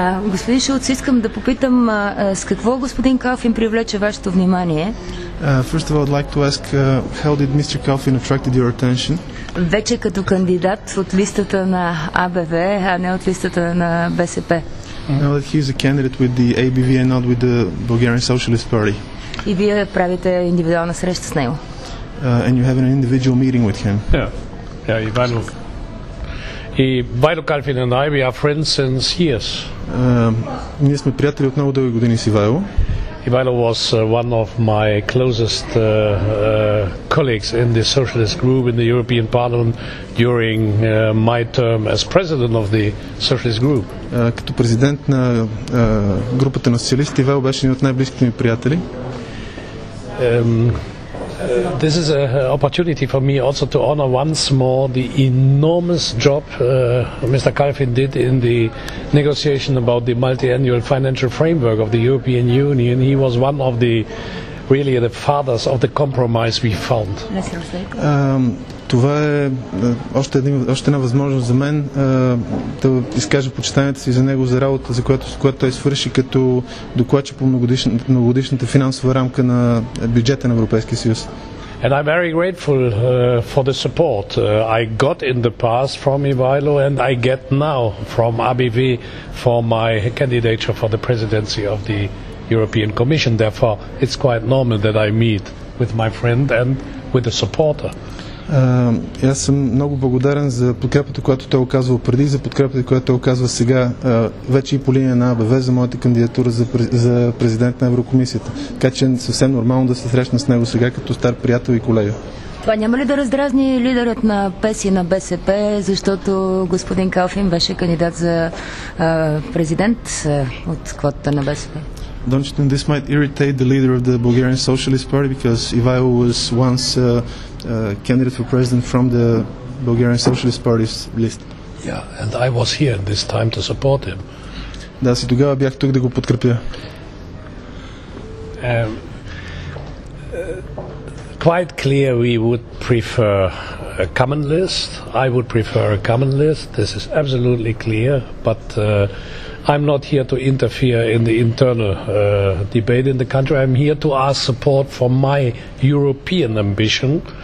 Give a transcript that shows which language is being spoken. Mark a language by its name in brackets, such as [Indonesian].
[Bulgarian] Господин Шулц, искам да попитам с какво господин Калфин привлече вашето внимание? [English] First of all, I'd like to ask how did Mr. Kalfin attracted your attention? [Bulgarian] Вече като кандидат от листата на АБВ, а не от листата на БСП. [English] Now that he's a candidate with the ABV and not with the Bulgarian Socialist Party. [Bulgarian] И вие правите индивидуална среща с него? [English] And you have an individual meeting with him. Yeah, Ivanov. Ивайло Калфин and I, we are friends since years. [Bulgarian] Ние сме приятели от много дълги години с Ивайло. [English] Ивайло was one of my closest colleagues in the socialist group in the European Parliament during my term as president of the socialist group. [Bulgarian] Като президент на групата на социалистите, Ивайло беше един от най-близките ми приятели. [English] This is an opportunity for me also to honor once more the enormous job Mr. Kalfin did in the negotiation about the multi-annual financial framework of the European Union. He was one of the really the fathers of the compromise we found. [Bulgarian] Това е още една възможност за мен да изкажа почитанието си за него, за работа, за която той свърши като докладчик по многогодишната финансова рамка на бюджета на Европейския съюз. [English] And I'm very grateful for the support I got in the past from Ivailo and I get now from ABV for my candidature for the presidency of the European Commission. Therefore, it's quite normal that I meet with my friend and with a supporter. [Bulgarian] Аз съм много благодарен за подкрепата, която той оказва преди, за подкрепата, която той оказва сега, вече и по линия на АБВ, за моята кандидатура за президент на Еврокомисията. Така че съвсем нормално да се срещна с него сега като стар приятел и колега. Това няма ли да раздразни лидерът на ПЕС и на БСП, защото господин Калфин беше кандидат за президент от квотата на БСП? [English] Don't you think this might irritate the leader of the Bulgarian Socialist Party because Ivailo was once a candidate for president from the Bulgarian Socialist Party's list? Yeah, and I was here this time to support him. [Bulgarian] Да, си тогава бях тук да го подкрепя. [English] Quite clear we would prefer a common list. I would prefer a common list. This is absolutely clear, but I'm not here to interfere in the internal debate in the country. I'm here to ask support for my European ambition.